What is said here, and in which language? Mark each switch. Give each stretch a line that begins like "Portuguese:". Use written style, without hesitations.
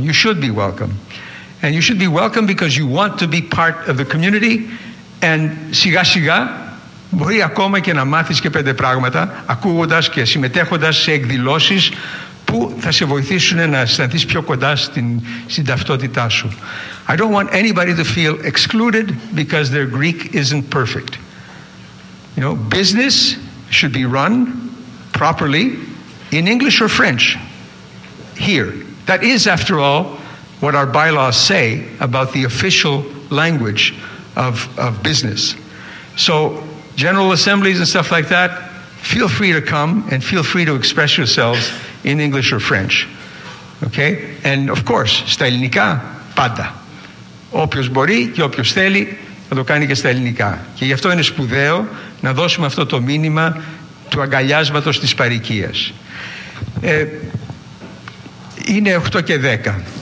English: You should be welcome. And you should be welcome because you want to be part of the community, and
Greek: σιγά σιγά μπορεί ακόμα και να μάθεις και 5 πράγματα ακούγοντας και συμμετέχοντας σε εκδηλώσεις που θα σε βοηθήσουν να αισθανθείς πιο κοντά στην ταυτότητά σου.
English: I don't want anybody to feel excluded because their Greek isn't perfect. You know, business should be run properly in English or French here. That is, after all, what our bylaws say about the official language of business. So general assemblies and stuff like that, feel free to come and feel free to express yourselves in English or French. Okay? And of course,
Greek: στα ελληνικά, πάντα. Όποιος μπορεί και όποιος θέλει, θα το κάνει και στα ελληνικά. Και γι' αυτό είναι σπουδαίο να δώσουμε αυτό το μήνυμα του αγκαλιάσματος της παροικίας. Είναι 8 και 10.